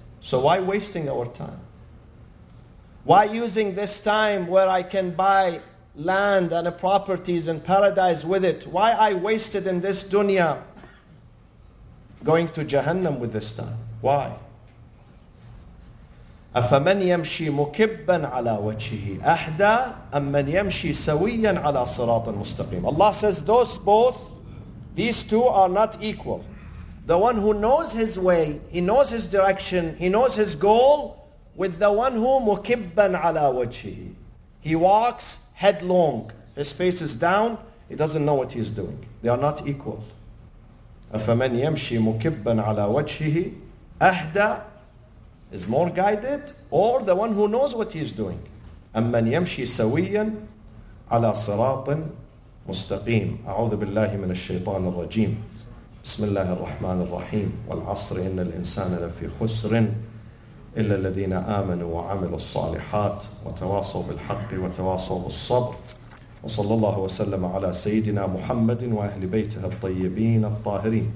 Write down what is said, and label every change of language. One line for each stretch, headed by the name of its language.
English: So why wasting our time? Why using this time where I can buy land and properties and paradise with it? Why I wasted in this dunya going to Jahannam with this time? Why?
Arabic: أَفَمَنْ يَمْشِي مُكِبًّا عَلَىٰ وَجْهِهِ أَحْدَىٰ أَمَّنْ يَمْشِي سَوِيًّا عَلَىٰ صِرَاطٍ مُسْتَقِيمٍ
English: Allah says those both, these two are not equal. The one who knows his way, he knows his direction, he knows his goal, with the one who
Arabic: مُكِبًّا عَلَىٰ وَجْهِهِ
English: He walks headlong. His face is down. He doesn't know what he is doing. They are not equal.
Arabic: أَفَمَنْ يَمْشِي مُكِبًّا عَلَىٰ وَجْهِهِ أَحْدَىٰ
English: is more guided, or the one who knows what he is doing.
Arabic: أَمَّنْ يَمْشِي سَوِيًّا عَلَىٰ صِرَاطٍ مُسْتَقِيمٍ أعوذ بالله من الشيطان الرجيم بسم الله الرحمن الرحيم والعصر إن الإنسان لفي خسر إلا الذين آمنوا وعملوا الصالحات وتواصوا بالحق وتواصوا بالصبر وصلى الله وسلم على سيدنا محمد وأهل بيته الطيبين الطاهرين